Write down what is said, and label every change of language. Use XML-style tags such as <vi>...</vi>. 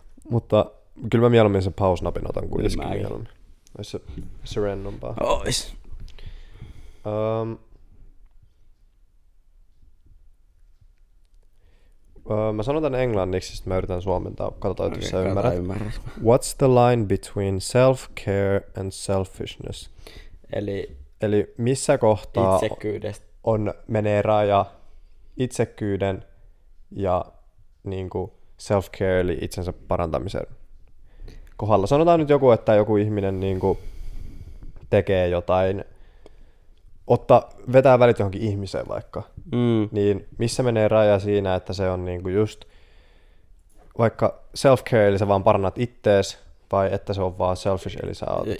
<fi>Mutta kyllä mä mieluummin sen pause-napin otan kuitenkin mieluummin. Ois se rennompaa. Ois. Mä sanon tän englanniksi, sit mä yritän suomentaa. Katsotaan, okay, jos sä ymmärrät.</fi> <en>What's the line between self-care and selfishness?</en> <fi>Eli missä kohtaa itsekyydestä on menee raja itsekkyyden ja niin kuin self-care, eli itsensä parantamisen kohdalla. Sanotaan nyt joku, että joku ihminen niin kuin tekee jotain, vetää välit johonkin ihmiseen vaikka, niin missä menee raja siinä, että se on niin kuin just vaikka self-care, eli sä vaan parannat ittees, vai että se on vaan selfish, eli sä oot</fi>